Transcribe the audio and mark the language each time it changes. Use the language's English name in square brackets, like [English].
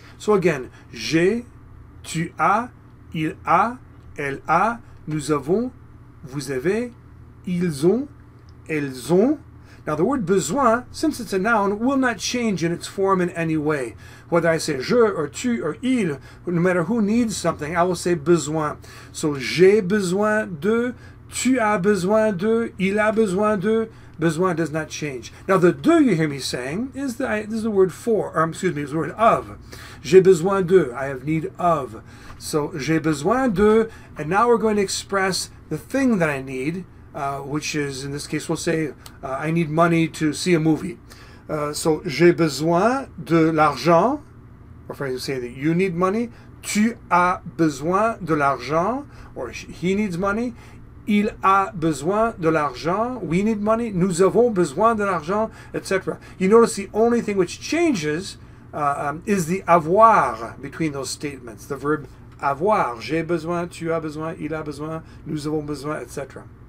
[French] So again, j'ai, tu as, il a, elle a, nous avons, vous avez, ils ont, elles ont. [English] Now, the word besoin, since it's a noun, will not change in its form in any way. Whether I say je or tu or il, no matter who needs something, I will say besoin. [French] So, j'ai besoin de, tu as besoin de, il a besoin de, [English] besoin does not change. Now, the de you hear me saying is the word for, or excuse me, is the word of. [French] J'ai besoin de, [English] I have need of. So, [French] j'ai besoin de, [English] and now we're going to express the thing that I need. Which is, in this case, we'll say, I need money to see a movie. [French] So, j'ai besoin de l'argent. [English] Or, if I say that you need money, [French] tu as besoin de l'argent. [English] Or, he needs money. [French] Il a besoin de l'argent. [English] We need money. [French] Nous avons besoin de l'argent, etc. [English] You notice the only thing which changes is the avoir between those statements. The verb avoir. [French] J'ai besoin, tu as besoin, il a besoin, nous avons besoin, etc.